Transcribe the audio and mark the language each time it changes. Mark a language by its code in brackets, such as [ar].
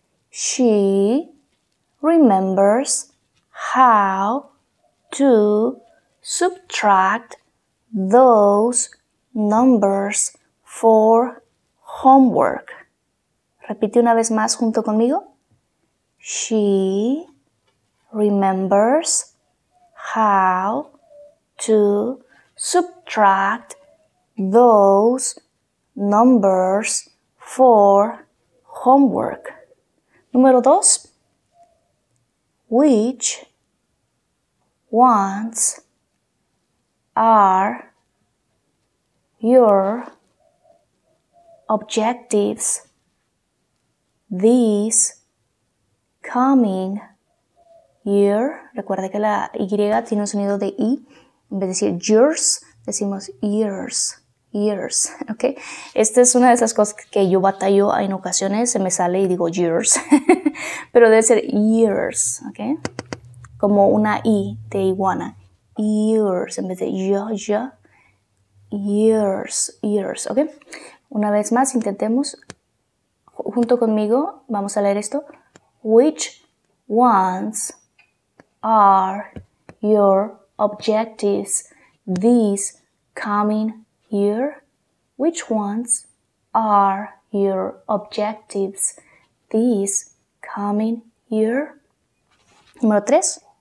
[en] She remembers how to subtract those numbers for homework. [es] Repite una vez más junto conmigo. [en] She remembers how to subtract those numbers for homework. [es] Número dos. [en] Which ones are your objectives this coming year? [es] Recuerda que la Y tiene un sonido de I. En vez de decir yours, decimos years. Years, ¿ok? Esta es una de esas cosas que yo batallo en ocasiones, se me sale y digo years. Pero debe ser years, ¿ok? Como una I de iguana. Years, en vez de ya, ya. Years, years, ¿ok? Una vez más, intentemos. Junto conmigo, vamos a leer esto. [en] Which ones are your objectives this coming year? Which ones are your objectives this coming year? [es] Número tres.